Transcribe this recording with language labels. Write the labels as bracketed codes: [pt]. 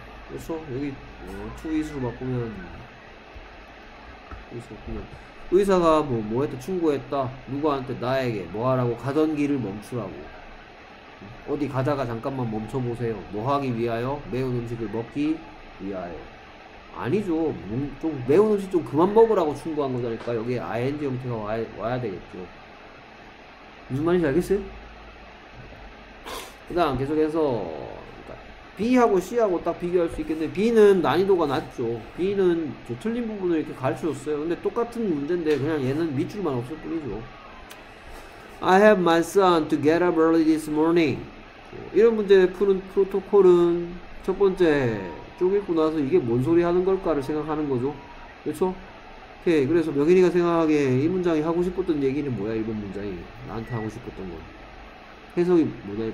[ko] 그래서 여기 to is로 바꾸면 의사가 뭐 했다 충고했다 누구한테 나에게 뭐하라고 가던 길을 멈추라고 어디 가다가 잠깐만 멈춰보세요 뭐하기 위하여 매운 음식을 먹기 위하여 아니죠 좀 매운 음식 좀 그만 먹으라고 충고한 거니까 여기 ing 형태가 와야 되겠죠 무슨 말인지 알겠어요? 그 다음 계속해서 B하고 C하고 딱 비교할 수 있겠는데 B는 난이도가 낮죠. B는 저 틀린 부분을 이렇게 가르쳐줬어요. 근데 똑같은 문제인데 그냥 얘는 밑줄만 없을 뿐이죠. [en] I have my son to get up early this morning. [ko] 이런 문제 푸는 프로토콜은 첫 번째 쭉 읽고 나서 이게 뭔 소리 하는 걸까를 생각하는 거죠. 그렇죠? 오케이. 그래서 명인이가 생각하기에 이 문장이 하고 싶었던 얘기는 뭐야? 이번 문장이 나한테 하고 싶었던 건 해석이 뭐냐?